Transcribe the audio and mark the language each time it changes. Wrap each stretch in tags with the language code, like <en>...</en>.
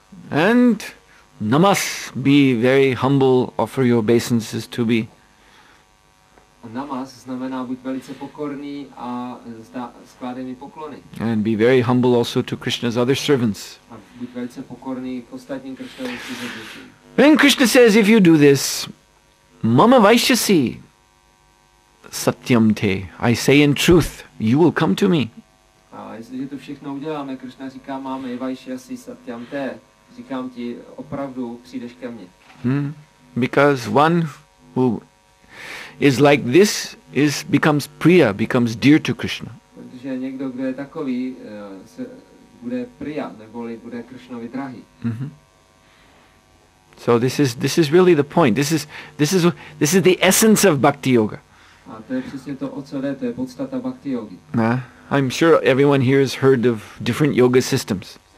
<en>And namas, be very humble, offer your obeisances to me.</en> <cs>Namas znamená buď velice pokorný a skládej mi poklony.</cs> <en>And be very humble also to Krishna's other servants.</en> <cs>A buď velice pokorný k ostatním Krishnovým služebníkům.</cs> <en>When Krishna says, if you do this,</en> <sa>mama vaishyasi satyam te,</sa> <en>I say in truth, you will come to me.</en> <cs>Jestliže to všechno uděláme, Krishna říká, máme</cs> <sa>vaishyasi satyam te,</sa> <cs>říkám ti, opravdu přijdeš ke mně.</cs> <en>Because one who is like this is becomes priya, becomes dear to Krishna.</en> <cs>Protože někdo, kdo je takový, se bude priya, neboli bude Krishnovi drahý.</cs> <en>So this is really the point. This is the essence of bhakti yoga.</en> <cs>A to je přesně to, o co jde, to je podstata bhakti yogi.</cs> <en>I'm sure everyone here has heard of different yoga systems.</en>